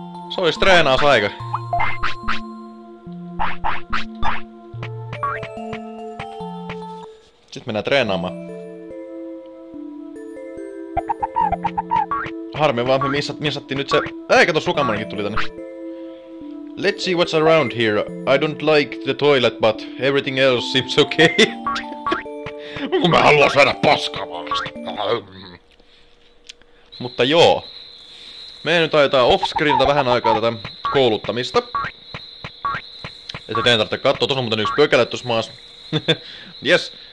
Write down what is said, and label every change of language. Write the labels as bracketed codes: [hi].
[fi] Se olis treenaus aika. Sit mennään treenaamaan. Harmi vaan, me missattiin nyt se... Ei, kato, Sukamonikin tuli tänne. [en] Let's see what's around here. I don't like the toilet, but everything else seems okay. [fi] Mä haluan saada paskaa maailmasta. Mutta joo. Me nyt ajetaan offscreenilta vähän aikaa tätä kouluttamista. Että teidän tarvitse katsoa, tuossa on muuten yksi pökälä tuossa maassa. [en] Yes.